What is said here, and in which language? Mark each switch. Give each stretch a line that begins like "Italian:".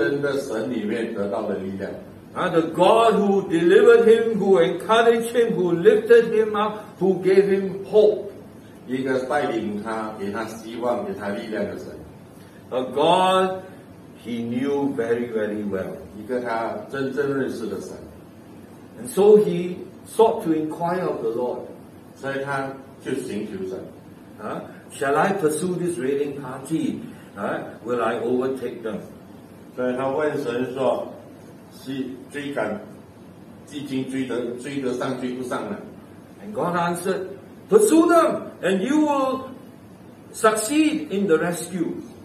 Chinese: 所以他从他自己私人的神里面得到的力量。
English: The God who delivered him, who encouraged him, who lifted him up, who gave him hope.
Chinese: 一个带领他,给他希望,给他力量的神。
English: A God he knew very, very well.
Chinese: 一个他真正认识的神。
English: And so he sought to inquire of the Lord.
Chinese: 所以他就寻求神。
English: Shall I pursue this raiding party? Will I overtake them?
Chinese: 所以他问神说, 追赶,追得上追不上呢?
English: And God answered, pursue them, and you will succeed in the rescue.